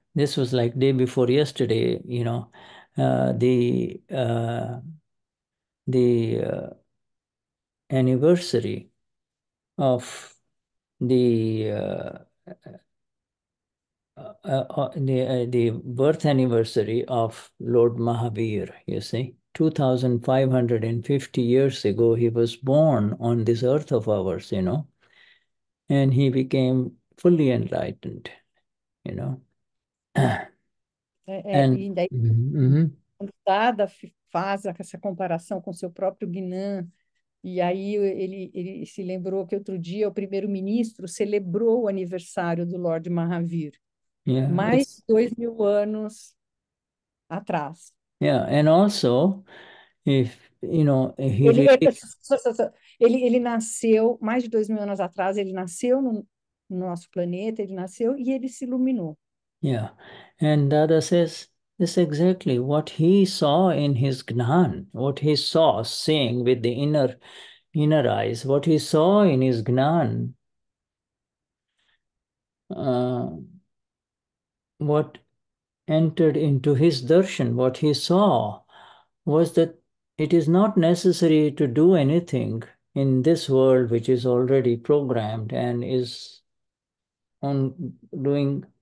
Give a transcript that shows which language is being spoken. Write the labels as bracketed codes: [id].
[en] This was like day before yesterday, you know, the anniversary of the birth anniversary of Lord Mahavir. You see, 2,550 years ago, he was born on this earth of ours, you know, and he became fully enlightened, you know. And [pt] E daí, quando Dada faz essa comparação com seu próprio Gnan, e aí ele se lembrou que outro dia o primeiro-ministro celebrou o aniversário do Lorde Mahavir, mais 2.000 anos atrás. [en] Yeah, and also, If, you know, he [pt] Ele, [en] really. [pt] ele nasceu mais de 2.000 anos atrás, ele nasceu no nosso planeta, ele nasceu e ele se iluminou. [en] Yeah, and Dada says this is exactly what he saw in his Gnan, what he saw seeing with the inner eyes, what he saw in his Gnan, what entered into his darshan, what he saw was that it is not necessary to do anything in this world which is already programmed and is on doing.